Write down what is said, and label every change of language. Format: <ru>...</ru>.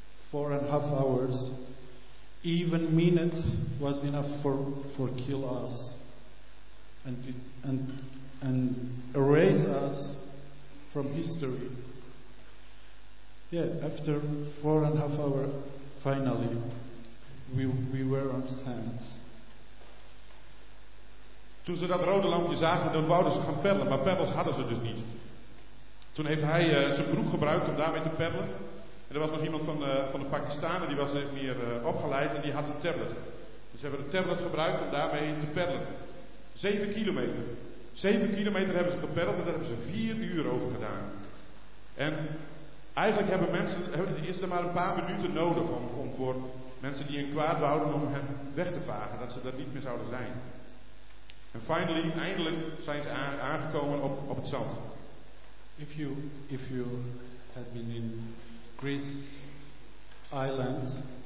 <en>4.5 hours, even minutes was enough for kill us and erase us from history. Yeah, after 4.5 hours, finally, we were on sands.</en> <nl>Toen ze dat rode lampje zagen, dan wouden ze gaan peddelen, maar peddels hadden ze dus niet. Toen heeft hij zijn broek gebruikt om daarmee te peddelen. En er was nog iemand van de Pakistanen, die was niet meer opgeleid en die had een tablet. Dus ze hebben een tablet gebruikt om daarmee te peddelen. 7 kilometer. 7 kilometer hebben ze gepeddeld en daar hebben ze 4 uur over gedaan. En eigenlijk hebben mensen, is er maar een paar minuten nodig om voor mensen die een kwaad wouden om hen weg te vagen. Dat ze dat niet meer zouden zijn. En finally, eindelijk zijn ze aangekomen op het zand.</nl> <en>If you had been in Greece islands.</en>